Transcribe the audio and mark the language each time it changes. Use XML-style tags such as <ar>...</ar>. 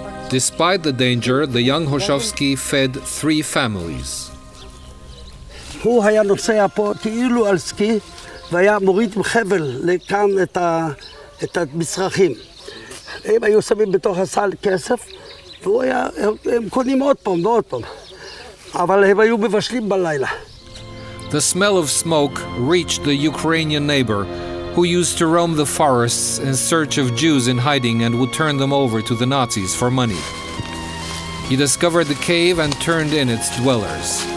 <en>Despite the danger, the young Hoszowski fed three families.</en> <he>הוא היה נוסע פה כאילו על סקי והיה מוריד עם חבל לכאן את המצרכים. הם היו שמים בתוך הסל כסף והוא היה, הם קונים עוד פעם ועוד פעם. אבל הם היו מבשלים בלילה.</he> <en>The smell of smoke reached the Ukrainian neighbor who used to roam the forests in search of Jews in hiding and would turn them over to the Nazis for money. He discovered the cave and turned in its dwellers.</en>